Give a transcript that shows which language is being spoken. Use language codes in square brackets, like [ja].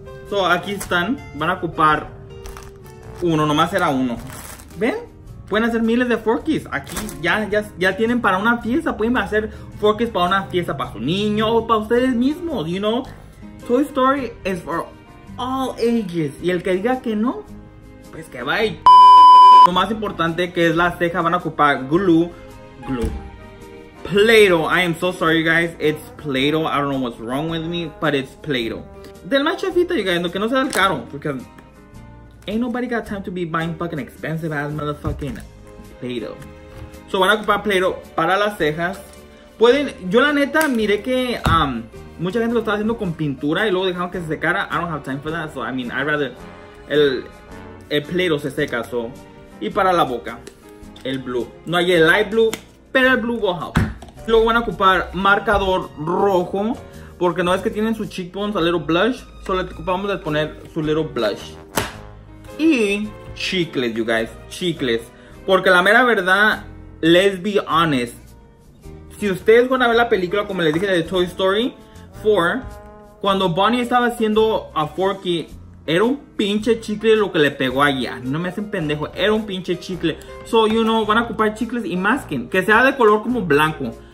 [es] So, aquí están. Van a ocupar uno. Nomás era uno. ¿Ven? Pueden hacer miles de forkies. Aquí ya tienen para una fiesta. Pueden hacer forkies para una fiesta, para su niño o para ustedes mismos, [en] you know. Toy Story is for all ages. [es] Y el que diga que no, pues que bye. Lo más importante, que es la ceja, van a ocupar glue. [en] Play-Doh. I am so sorry, guys. It's Play-Doh. I don't know what's wrong with me, but it's Play-Doh. [es] Del más chafita, [en] you guys, [es] no, que no sea el caro, porque [en] ain't nobody got time to be buying fucking expensive ass motherfucking Play-Doh. [es] So van a ocupar Play-Doh para las cejas. Pueden, yo la neta miré que mucha gente lo estaba haciendo con pintura y luego dejaron que se secara. [en] I don't have time for that, so I mean, I'd rather [es] el Play-Doh se seca, [en] so. [es] Y para la boca, el blue. No hay el light blue, pero el [en] blue will help. [es] Luego van a ocupar marcador rojo, porque no es que tienen sus [en] cheekbones a little blush, [es] solo les ocupamos de poner su [en] little blush. [es] Y chicles, [en] you guys, [es] chicles. Porque la mera verdad, [en] let's be honest, [es] si ustedes van a ver la película, como les dije, de Toy Story 4, cuando Bonnie estaba haciendo a Forky, era un pinche chicle lo que le pegó allá. No me hacen pendejo, era un pinche chicle. [en] So, you know, [es] van a ocupar chicles y masking, que sea de color como blanco.